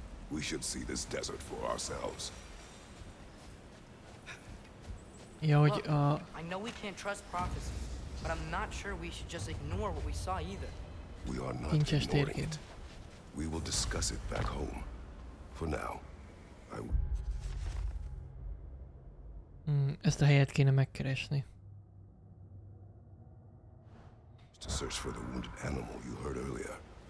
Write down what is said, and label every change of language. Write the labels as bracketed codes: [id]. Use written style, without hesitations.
[en] We should see this desert for ourselves. Look, I know we can't trust prophecy, but I'm not sure we should just ignore what we saw either. We are not ignoring it. We will discuss it back home. For now, I will... [hu] Ezt a helyet kéne megkeresni. [en] To search for the wounded animal you heard earlier.